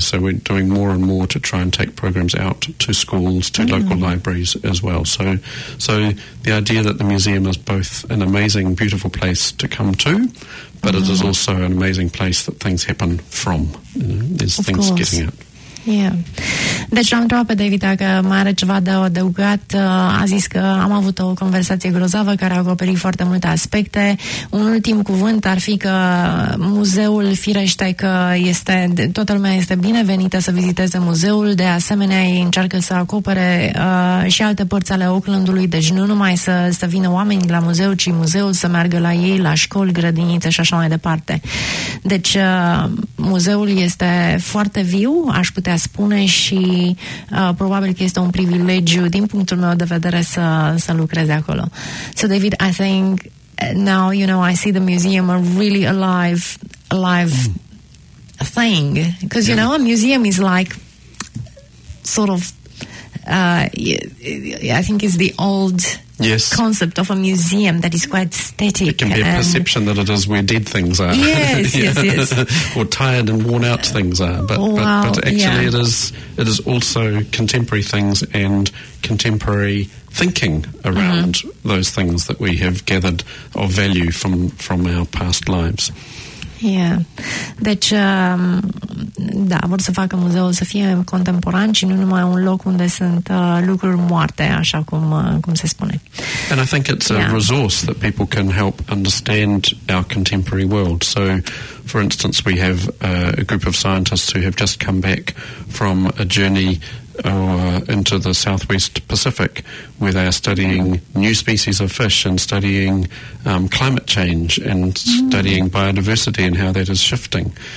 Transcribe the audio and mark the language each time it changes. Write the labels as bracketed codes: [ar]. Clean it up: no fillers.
[en] So we're doing more and more to try and take programs out to schools, to mm-hmm. local libraries as well. So the idea that the museum is both an amazing, beautiful place to come to, but mm-hmm. it is also an amazing place that things happen from. You know, there's of things course. Getting out. Yeah. [ro] Deci l-am întrebat pe David dacă mai are ceva de adăugat. A zis că am avut o conversație grozavă care a acoperit foarte multe aspecte. Un ultim cuvânt ar fi că muzeul, firește că este, toată lumea este binevenită să viziteze muzeul, de asemenea ei încearcă să acopere și alte părți ale Oaklandului, deci nu numai să vină oameni la muzeu, ci muzeul să meargă la ei, la școli, grădinițe și așa mai departe. Deci muzeul este foarte viu, aș putea spune, și probabil că este un privilegiu din punctul meu de vedere să lucreze acolo. [en] So David, I think now, you know, I see the museum a really alive thing, because you know, a museum is like sort of I think it's the old concept of a museum that is quite static. It can be a perception that it is where dead things are. Yes, yes. Or tired and worn out things are. But, but actually it is also contemporary things and contemporary thinking around those things that we have gathered of value from our past lives. Yeah. [ro] Deci, da, vor să facă muzeul să fie contemporan și nu numai un loc unde sunt lucruri moarte, așa cum se spune. [en] And I think it's a resource that people can help understand our contemporary world. So, for instance, we have a group of scientists who have just come back from a journey into the Southwest Pacific, where they are studying new species of fish and studying climate change and studying biodiversity and how that is shifting.